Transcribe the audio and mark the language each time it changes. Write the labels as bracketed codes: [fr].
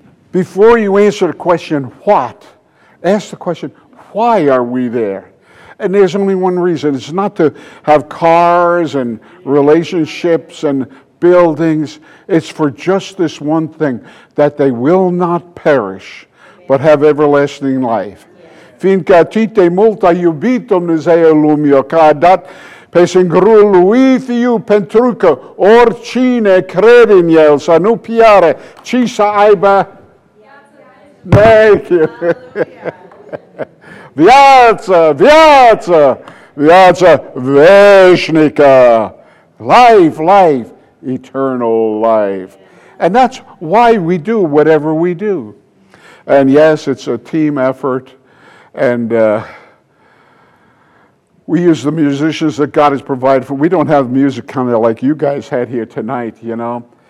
[en] Before you answer the question, what? Ask the question, why are we there? And there's only one reason. It's not to have cars and relationships and buildings. It's for just this one thing, that they will not perish, but have everlasting life. [ro] Fiindcă atât de mult a iubit Dumnezeu lumea, că a dat pe singurul lui fiu pentru că oricine crede în el să nu piară, ci să aibă... [en] Thank you. [ro] Viața, viața, viața veșnică. [en] Life, life, eternal life. And that's why we do whatever we do. And yes, it's a team effort. And we use the musicians that God has provided for. We don't have music kind of like you guys had here tonight, you know.